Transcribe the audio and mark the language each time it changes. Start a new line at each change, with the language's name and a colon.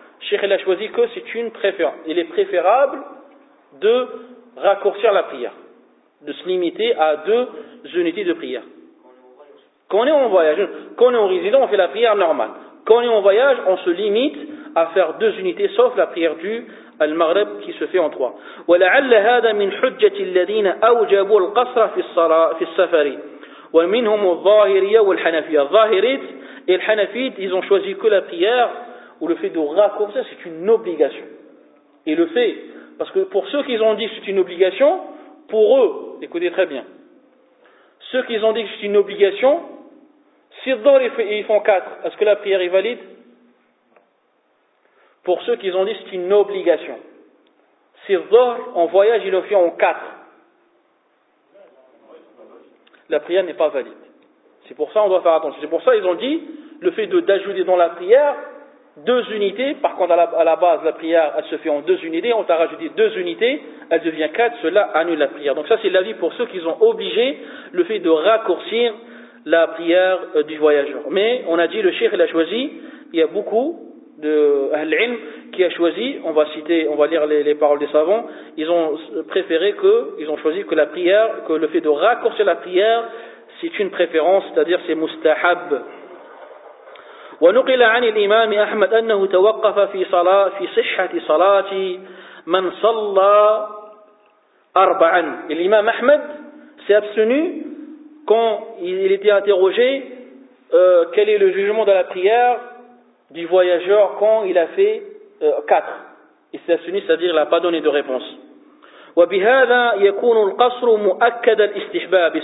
French: Cheikh, il a choisi que c'est une préférence. Il est préférable de raccourcir la prière, de se limiter à deux unités de prière. Quand on est en voyage, quand on est en résident, on fait la prière normale. Quand on est en voyage, on se limite à faire deux unités, sauf la prière du Al-Maghrib qui se fait en trois.
Arabic: وَلَعَلَّ هَذَا مِنْ حُجَّةِ الَّذِينَ أَوْجَبُوا الْقَصْرَ فِي السَّفَرِ وَمِنْهُمُ الظَّاهِرِيَ وَالْحَنَفِيَ. الظَّاهِرِيَ
French: et
Arabic: الْحَنَفِيَ,
French: ils ont choisi que la prière ou le fait de raccourcir, c'est une obligation. Et le fait, parce que pour ceux qui ont dit que c'est une obligation, pour eux, écoutez très bien, ceux qui ont dit que c'est une obligation, si ils font 4, est-ce que la prière est valide? Pour ceux qui ont dit que c'est une obligation, si en voyage, ils le font en 4, la prière n'est pas valide. C'est pour ça qu'on doit faire attention. C'est pour ça qu'ils ont dit, le fait d'ajouter dans la prière 2 unités, par contre à la base la prière elle se fait en 2 unités, on t'a rajouté 2 unités, elle devient 4, cela annule la prière. Donc ça c'est l'avis pour ceux qui ont obligé le fait de raccourcir la prière du voyageur. Mais on a dit, le cheikh il a choisi, il y a beaucoup de ahl-ilm qui a choisi, on va lire les paroles des savants, ils ont choisi que la prière, que le fait de raccourcir la prière c'est une préférence, c'est-à-dire c'est mustahab.
Arabic: ونقل عن الإمام أحمد أنه توقف في صلاة في صحة صلاة من صلى 4.
French: الإمام أحمد s'est abstenu quand il était interrogé quel est le jugement de la prière du voyageur quand il a fait 4. Il s'est abstenu, c'est-à-dire il n'a pas donné de réponse.
Arabic: وبهذا يكون القصر مؤكد الاستحباب.